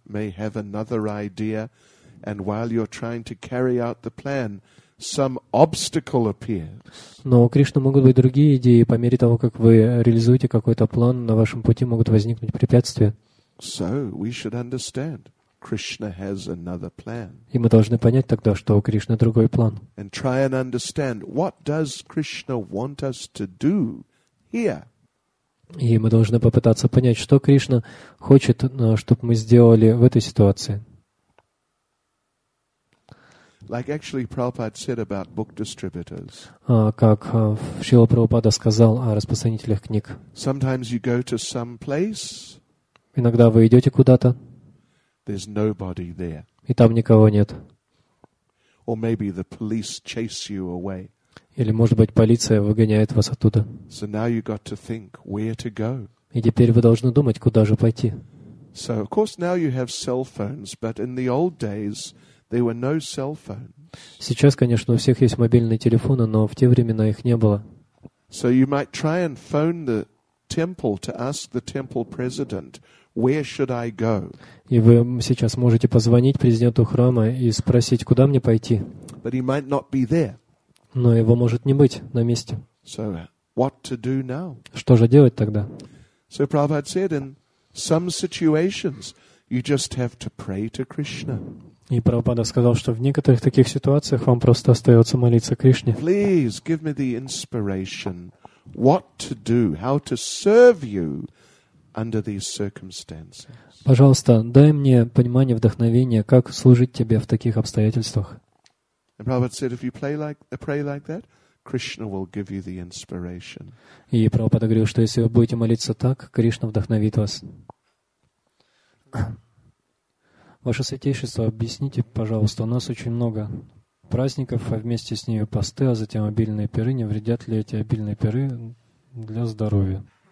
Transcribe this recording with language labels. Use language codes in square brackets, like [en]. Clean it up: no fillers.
[en] May have another idea, and while you're trying to carry out the plan, some obstacle appears. [ru] Но у Кришны могут быть другие идеи, по мере того, как вы реализуете какой-то план, на вашем пути могут возникнуть препятствия. [en] So we should understand Krishna has another plan. [ru] И мы должны понять тогда, что у Кришны другой план. [en] And try and understand what does Krishna want us to do here. [ru] И мы должны попытаться понять, что Кришна хочет, чтобы мы сделали в этой ситуации. [en] Like actually Prabhupada said about book distributors. [ru] Как Шрила Прабхупада сказал о распространителях книг. [en] Sometimes you go to some place. [ru] Иногда вы идете куда-то. [en] There's nobody there. [ru] И там никого нет. [en] Or maybe the police chase you away. [ru] Или может быть полиция выгоняет вас оттуда. [en] So now you got to think where to go. [ru] И теперь вы должны думать, куда же пойти. [en] So of course now you have cell phones, but in the old days. There were no cell phones. [ru] Сейчас, конечно, у всех есть мобильные телефоны, но в те времена их не было. [en] So you might try and phone the temple to ask the temple president, where should I go? [ru] И вы сейчас можете позвонить президенту храма и спросить, куда мне пойти. [en] But he might not be there. [ru] Но его может не быть на месте. [en] So what to do now? [ru] Что же делать тогда? [en] So Prabhupada said, in some situations, you just have to pray to Krishna. [ru] И Прабхупада сказал, что в некоторых таких ситуациях вам просто остается молиться Кришне. [en] Please give me the inspiration, what to do, how to serve you under these circumstances. [ru] Пожалуйста, дай мне понимание, вдохновение, как служить тебе в таких обстоятельствах. [en] And Prabhupada said, if you pray like that, Krishna will give you the inspiration. [ru] И Прабхупада говорил, что если вы будете молиться так, Кришна вдохновит вас. Ваше святейшество, объясните, пожалуйста, у нас очень много праздников, а вместе с ними посты, а затем обильные пиры. Не вредят ли эти обильные пиры для здоровья?